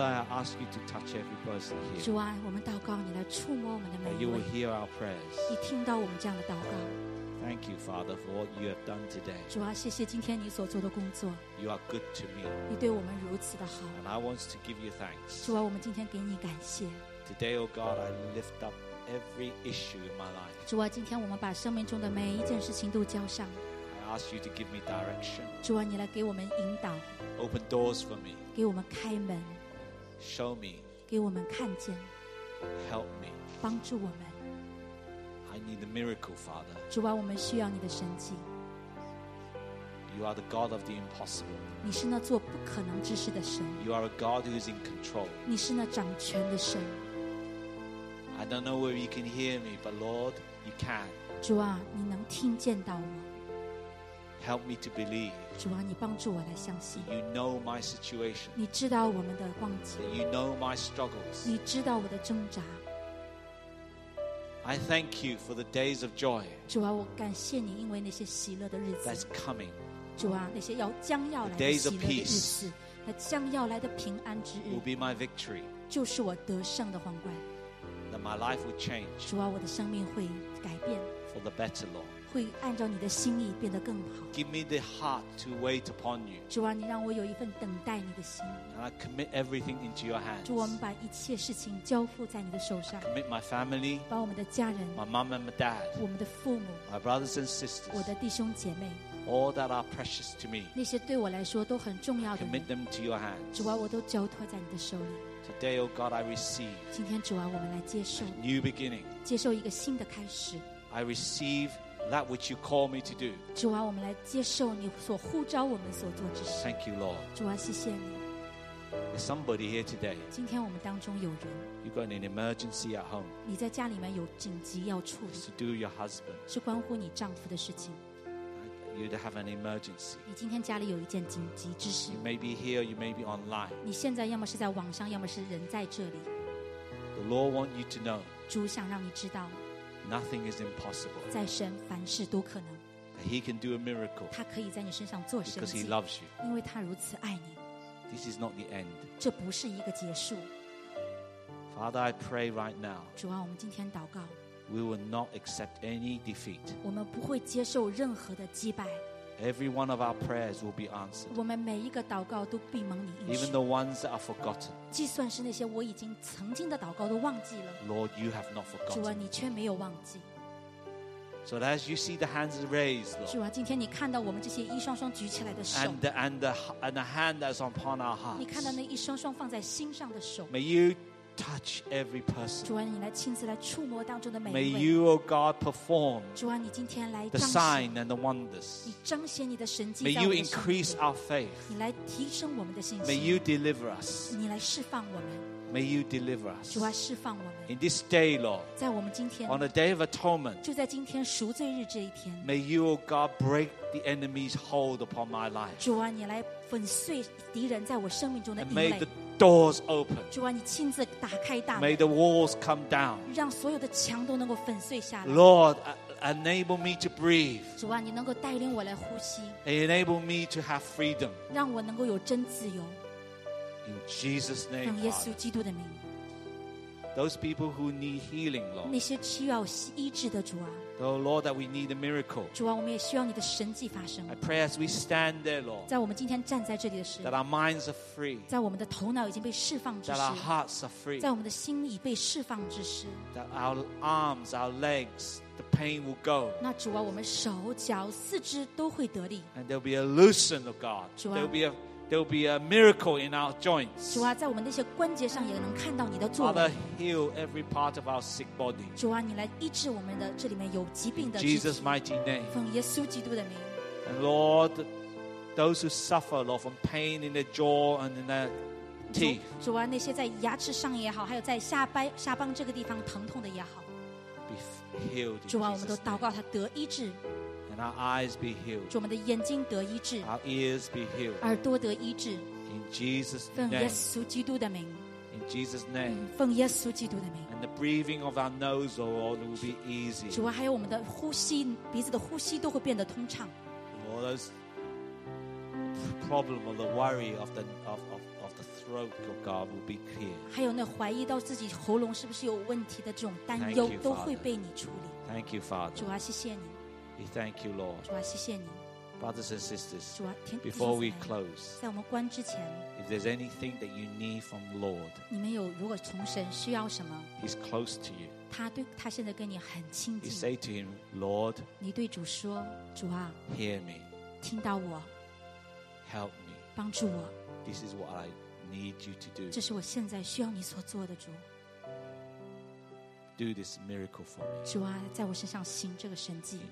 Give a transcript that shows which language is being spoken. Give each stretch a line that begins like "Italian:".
English: Ask you to touch every person here.
Chinese: 主啊, 我们祷告你来触摸我们的每一位,
English: and you will hear our prayers.
Chinese: 你听到我们这样的祷告。
English: Thank you, Father, for what you have done today.
Chinese: 主啊, 谢谢今天你所做的工作。
English: You are good to me.
Chinese: 你对我们如此的好。
English: And I want to give you thanks.
Chinese: 主啊, 我们今天给你感谢。
English: Today, oh God, I lift up every issue in my life.
Chinese: 主啊, 今天我们把生命中的每一件事情都交上。
English: I ask you to give me direction.
Chinese: 主啊, 你来给我们引导。
English: Open doors for me.
Chinese: 给我们开门。
English: Show me.
Chinese: 给我们看见。
English: Help me.
Chinese: 帮助我们。
English: I need a miracle, Father.
Chinese: 主啊，我们需要你的神迹。
English: You are the God of the impossible.
Chinese: 你是那做不可能之事的神。
English: You are a God who is in control.
Chinese: 你是那掌权的神。
English: I don't know where you can hear me, but Lord, you can.
Chinese: 主啊，你能听见到我。
English: Help me to believe.
Chinese: 主啊，你帮助我来相信。
English: You know my situation.
Chinese: 你知道我们的光景。
English: You know my struggles.
Chinese: 你知道我的挣扎。
English: I thank you for the days of joy.
Chinese: 主啊，我感谢你，因为那些喜乐的日子。
English: That's coming.
Chinese: 主啊，那些要将要来的喜乐的日子，那将要来的平安之日。
English: Will be my victory.
Chinese: 就是我得胜的皇冠。
English: That my life will change.
Chinese: 主啊，我的生命会改变。
English: For the better, Lord.
Chinese: 会按照你的心意变得更好。
English: Give me the heart to wait upon you.
Chinese: 主啊，你让我有一份等待你的心。
English: And I commit everything into your hands.
Chinese: 主，我们把一切事情交付在你的手上。
English: I commit my family.
Chinese: 把我们的家人。
English: My mom and my dad.
Chinese: 我们的父母。
English: My brothers and sisters.
Chinese: 我的弟兄姐妹。
English: All that are precious to me.
Chinese: 那些对我来说都很重要的。
English: Commit them to your hands.
Chinese: 主啊，我都交托在你的手里。
English: Today, O God, I receive.
Chinese: 今天主啊，我们来接受。
English: A new beginning.
Chinese: 接受一个新的开始。
English: I receive that which you call me to do.
Chinese: 主啊，我们来接受你所呼召我们所做之事。
English: Thank you, Lord.
Chinese: 主啊，谢谢你。
English: There's somebody here today.
Chinese: 今天我们当中有人。
English: You've got an emergency at home.
Chinese: 你在家里面有紧急要处理。
English: To do your husband.
Chinese: 是关乎你丈夫的事情。
English: You'd have an emergency.
Chinese: 你今天家里有一件紧急之事。
English: You may be here, you may be online.
Chinese: 你现在要么是在网上，要么是人在这里。
English: The Lord wants you to know.
Chinese: 主想让你知道。
English: Nothing is impossible.
Chinese: 在神凡事都可能。
English: He can do a miracle.
Chinese: 他可以在你身上做神迹。
English: Because He loves you.
Chinese: 因为他如此爱你。
English: This is not the end.
Chinese: 这不是一个结束。
English: Father, I pray right now.
Chinese: 主啊，我们今天祷告。
English: We will not accept any defeat.
Chinese: 我们不会接受任何的击败。
English: Every one of our prayers will be answered.
Chinese: 我们每一个祷告都必蒙你应许。
English: Even the ones that are forgotten.
Chinese: 即算是那些我已经曾经的祷告都忘记了。
English: Lord, you have not forgotten.
Chinese: 主啊，你却没有忘记。
English: So as you see the hands raised, Lord.
Chinese: 主啊，今天你看到我们这些一双双举起来的手。
English: And the hand that's upon our hearts.
Chinese: 你看到那一双双放在心上的手。
English: May you touch every person.
Chinese: 主啊，你来亲自来触摸当中的每一位。
English: May you, O God, perform.
Chinese: 主啊，你今天来
English: the sign and the wonders.
Chinese: 你彰显你的神迹。
English: May you increase our faith.
Chinese: 你来提升我们的信心。
English: May you deliver us.
Chinese: 你来释放我们。
English: May you deliver us.
Chinese: 主啊，释放我们。
English: In this day, Lord.
Chinese: 在我们今天。
English: On the day of atonement.
Chinese: 就在今天赎罪日这一天。
English: May you, O God, break the enemy's hold upon my life.
Chinese: 主啊，你来粉碎敌人在我生命中的阴垒。
English: Doors open.
Chinese: 主啊，你亲自打开大门。
English: May the walls come down.
Chinese: 让所有的墙都能够粉碎下来。
English: Lord, enable me to breathe.
Chinese: 主啊，你能够带领我来呼吸。
English: Enable me to have freedom.
Chinese: 让我能够有真自由。
English: In Jesus' name.
Chinese: 奉耶稣基督的名。
English: Those people who need healing, Lord.
Chinese: 那些需要医治的主啊。
English: Oh Lord, that we need a miracle.
Chinese: 主啊，我们也需要你的神迹发生。
English: I pray as we stand there, Lord.
Chinese: 在我们今天站在这里的时候。
English: That our minds are free.
Chinese: 在我们的头脑已经被释放之时。
English: That our hearts are free.
Chinese: 在我们的心已被释放之时。
English: That our arms, our legs, the pain will go.
Chinese: 那主啊，我们手脚四肢都会得力。
English: And there'll be a loosen of God.
Chinese: 主啊。
English: There'll be a miracle in our joints.
Chinese: 主啊，在我们那些关节上也能看到你的作为。
English: Father, heal every part of our sick body.
Chinese: 主啊，你来医治我们的这里面有疾病的身体。
English: Jesus' mighty name.
Chinese: 奉耶稣基督的名。
English: And Lord, those who suffer, Lord, from pain in their jaw and in their teeth.
Chinese: 主啊，那些在牙齿上也好，还有在下巴这个地方疼痛的也好。
English: Be healed.
Chinese: 主啊，我们都祷告他得医治。
English: Our eyes be healed.
Chinese: 主，我们的眼睛得医治。
English: Our ears be healed.
Chinese: 耳朵得医治。
English: In Jesus' name.
Chinese: 奉耶稣基督的名。
English: In Jesus' name.
Chinese: 奉耶稣基督的名。
English: And the breathing of our nose, Lord, will be easy.
Chinese: 主啊，还有我们的呼吸，鼻子的呼吸都会变得通畅。
English: All those problem or the worry of the throat, oh God, will be clear.
Chinese: 还有那怀疑到自己喉咙是不是有问题的这种担忧，都会被你处理。
English: Thank you, Father.
Chinese: 主啊，谢谢你。
English: We thank you, Lord.
Chinese: 主啊，谢谢你。
English: Brothers and sisters,
Chinese: 主啊，
English: before we close,
Chinese: 在我们关之前
English: if there's anything that you need from Lord,
Chinese: 你们有如果从神需要什么
English: He's close to you.
Chinese: 他现在跟你很亲近。
English: You say to him, Lord,
Chinese: 你对主说，主啊
English: ，Hear me.
Chinese: 听到我。
English: Help me.
Chinese: 帮助我。
English: This is what I need you to do.
Chinese: 这是我现在需要你所做的，主。
English: do this miracle for me.
Chinese: 主啊，在我身上行这个神迹。